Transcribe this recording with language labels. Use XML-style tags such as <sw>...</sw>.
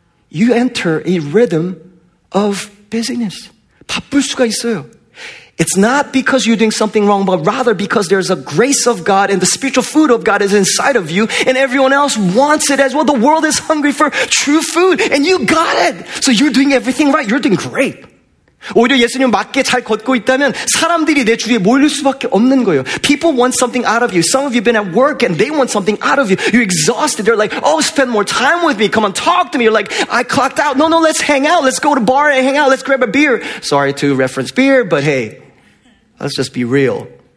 <en>You enter a rhythm of busyness.</en> <ko>바쁠 수가 있어요.</ko> <en>It's not because you're doing something wrong, but rather because there's a grace of God and the spiritual food of God is inside of you and everyone else wants it as well. The world is hungry for true food and you got it. So you're doing everything right. You're doing great.</en> <ko>오히려 예수님 맞게 잘 걷고 있다면 사람들이 내 주위에 몰릴 수밖에 없는 거예요.</ko> <en>People want something out of you. Some of you have been at work and they want something out of you. You're exhausted. They're like, oh, spend more time with me. Come on, talk to me. You're like, I clocked out. No, let's hang out. Let's go to a bar and hang out. Let's grab a beer. Sorry to reference beer, but hey, let's just be real.</en>